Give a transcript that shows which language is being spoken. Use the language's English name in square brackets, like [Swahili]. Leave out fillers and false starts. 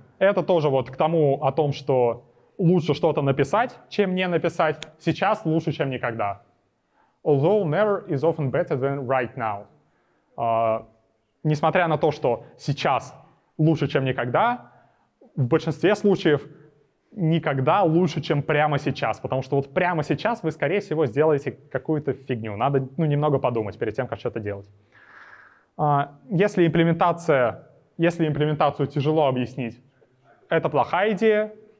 [Russian] Это тоже вот к тому о том, что лучше что-то написать, чем не написать. Сейчас лучше, чем никогда. [English] Although never is often better than right now. [Russian] Несмотря на то, что сейчас лучше, чем никогда, в большинстве случаев никогда лучше, чем прямо сейчас. Потому что вот прямо сейчас вы, скорее всего, сделаете какую-то фигню. Надо, ну, немного подумать перед тем, как что-то делать. Если имплементацию тяжело объяснить, это плохая идея.